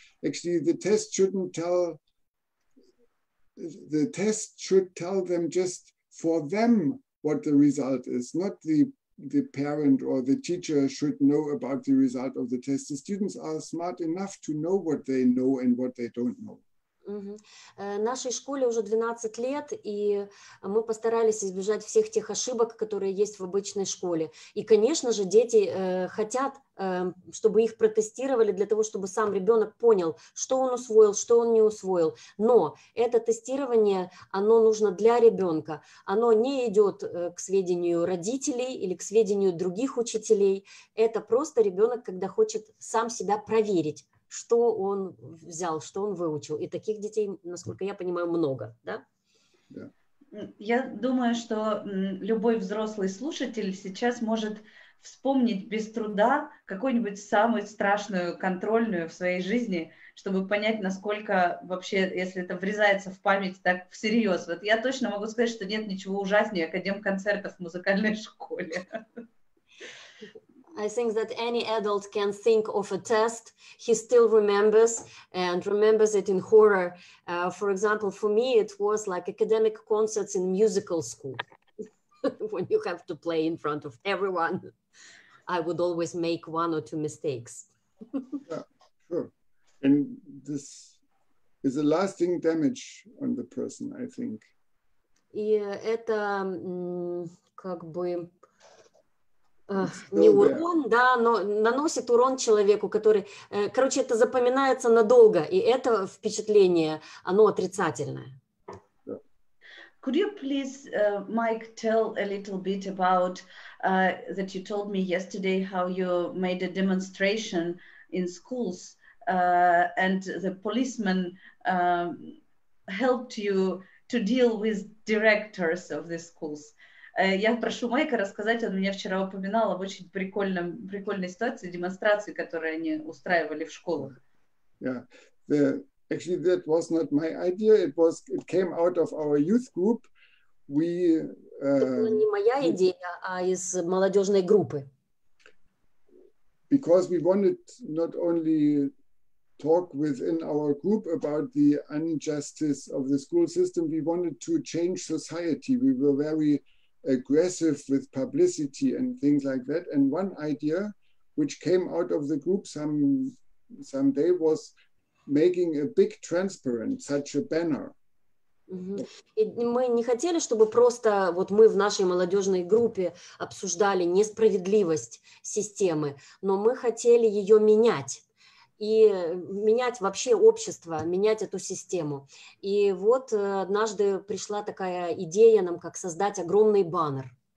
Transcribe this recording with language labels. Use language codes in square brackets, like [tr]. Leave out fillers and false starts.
[en] Actually, the test should tell them just for them what the result is, not the parent or the teacher should know about the result of the test. The students are smart enough to know what they know and what they don't know. [ru] Нашей школе уже 12 лет, и мы постарались избежать всех тех ошибок, которые есть в обычной школе. И, конечно же, дети хотят, чтобы их протестировали для того, чтобы сам ребенок понял, что он усвоил, что он не усвоил. Но это тестирование, оно нужно для ребенка. Оно не идет к сведению родителей или к сведению других учителей. Это просто ребенок, когда хочет сам себя проверить, что он взял, что он выучил. И таких детей, насколько я понимаю, много, да? Я думаю, что любой взрослый слушатель сейчас может вспомнить без труда какую-нибудь самую страшную контрольную в своей жизни, чтобы понять, насколько вообще, если это врезается в память, так всерьез. Вот я точно могу сказать, что нет ничего ужаснее академ-концертов в музыкальной школе. [en] I think that any adult can think of a test he still remembers and remembers it in horror. For example, for me, it was like academic concerts in musical school. When you have to play in front of everyone, I would always make one or two mistakes. Yeah, sure. And this is a lasting damage on the person, I think. Yeah, [ru] это как бы... Не урон, да, но наносит урон человеку, который... Короче, это запоминается надолго, и это впечатление, оно отрицательное. [en] Could you please, Mike, tell a little bit about that you told me yesterday how you made a demonstration in schools and the policeman helped you to deal with directors of the schools? [ru] Я прошу Майка рассказать, он меня вчера упоминал об очень прикольной ситуации, демонстрации, которые они устраивали в школах. [en] Yeah, actually that was not my idea, it came out of our youth group. We [ru] не моя идея, а из молодежной группы. [en] Because we wanted not only talk within our group about the injustice of the school system, we wanted to change society. We were very aggressive with publicity and things like that. And one idea which came out of the group some day was making a big transparent, such a banner. [ru] И мы не хотели, чтобы просто вот мы в нашей молодежной группе обсуждали несправедливость системы, но мы хотели ее менять. И менять вообще общество, менять эту систему. И вот однажды пришла такая идея нам, как создать огромный баннер.